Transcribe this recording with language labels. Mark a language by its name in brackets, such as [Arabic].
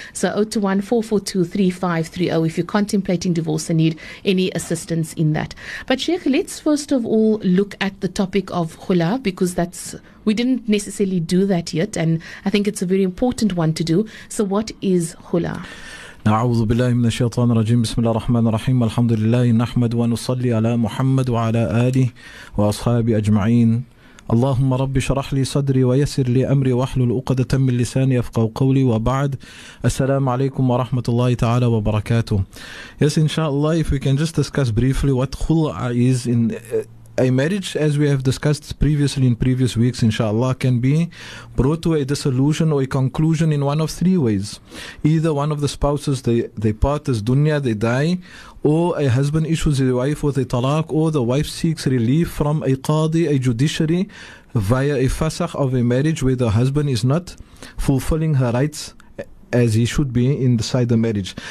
[English] So 021-442-3530 if you're contemplating divorce and need any assistance in that. But Sheikh, let's first of all look at the topic of khula, because that's, we didn't necessarily do that yet, and I think it's a very important one to do. So what is khula? [Arabic] أعوذ بالله من الشيطان الرجيم بسم الله الرحمن الرحيم الحمد لله نحمد ونصلي على محمد وعلى آله وأصحابه أجمعين اللهم رب شرح لي صدري ويسر لي أمري واحلل عقدة من لساني يفقهوا قولي وبعد السلام عليكم ورحمة الله تعالى وبركاته. [English] Yes, inshallah, if we can just discuss briefly what khula is in a marriage, as we have discussed previously in previous weeks, inshallah, can be brought to a dissolution or a conclusion in one of three ways. Either one of the spouses, they part as dunya, they die, or a husband issues his wife with a talaq, or the wife seeks relief from a qadi, a judiciary, via a fasakh of a marriage where the husband is not fulfilling her rights as he should be inside the marriage.